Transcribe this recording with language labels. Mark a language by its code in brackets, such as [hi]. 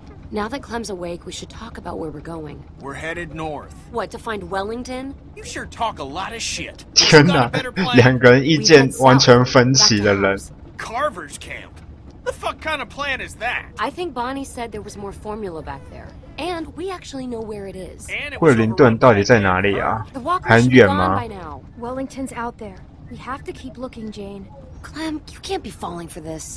[en] Now that Clem's awake, we should talk about where we're going. We're headed north. What to find Wellington? You sure talk a lot of shit. [zh] 天哪，两个人意见完全分歧的人。 [en] Carver's camp. The fuck kind of plan is that? I think Bonnie said there was more formula back there. And we actually know where it is. [zh] 惠灵顿到底在哪里啊？很远吗 [en] ？Wellington's out there. We have to keep looking, Jane. Clem, you can't be falling for this.